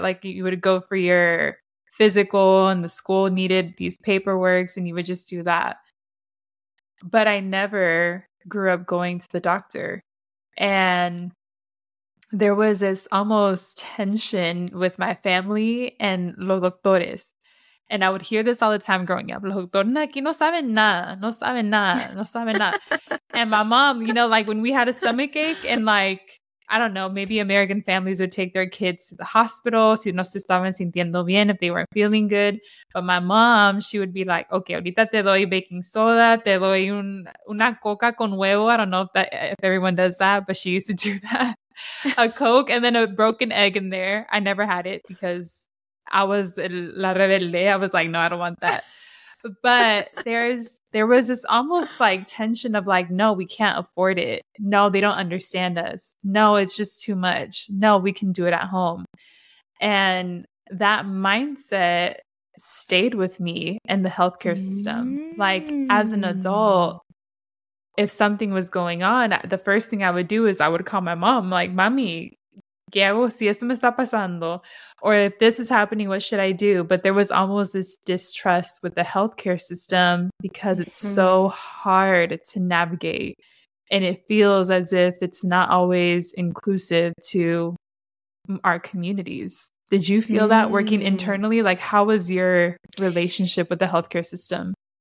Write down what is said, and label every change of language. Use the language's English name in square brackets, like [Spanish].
[English] Like you would go for your physical and the school needed these paperworks and you would just do that. But I never grew up going to the doctor. And there was this almost tension with my family and [Spanish] los doctores. [English] And I would hear this all the time growing up. [Spanish] Los doctores aquí no saben nada, no saben nada, no saben nada. [English] And my mom, you know, like when we had a stomach ache and like, I don't know, maybe American families would take their kids to the hospital [Spanish] si no se estaban sintiendo bien, [English] if they weren't feeling good. But my mom, she would be like, okay, [Spanish] ahorita te doy baking soda, te doy una coca con huevo. [English] I don't know if everyone does that, but she used to do that. A Coke and then a broken egg in there. I never had it because I was [Spanish] la rebelde. [English] I was like, no, I don't want that. But there was this almost like tension of like, no, we can't afford it. No, they don't understand us. No, it's just too much. No, we can do it at home. And that mindset stayed with me in the healthcare system. Like as an adult, if something was going on, the first thing I would do is I would call my mom, like, mommy, [Spanish] ¿qué hago si esto me está pasando? [English] Or if this is happening, what should I do? But there was almost this distrust with the healthcare system because it's so hard to navigate. And it feels as if it's not always inclusive to our communities. Did you feel that working internally? Like, how was your relationship with the healthcare system?